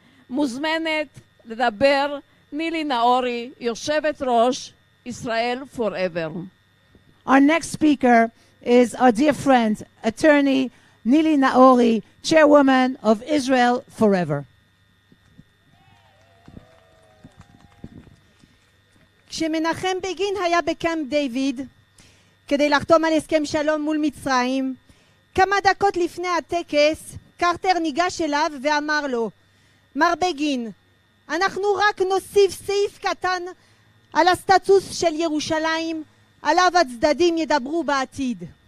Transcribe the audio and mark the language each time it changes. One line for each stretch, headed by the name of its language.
Hebrew: מוזמנת לדבר נילי נאורי, יושבת ראש ישראל פוראבר.
English: Our next speaker is our dear friend, attorney Nili Naori, chairwoman of Israel Forever.
Hebrew: כשמנחם בגין היה בקמפ דיוויד כדי לחתום על הסכם שלום מול מצרים, כמה דקות לפני הטקס, קרטר ניגש אליו ואמר לו, מר בגין, אנחנו רק נוסיף סעיף קטן על הסטטוס של ירושלים, עליו הצדדים ידברו בעתיד.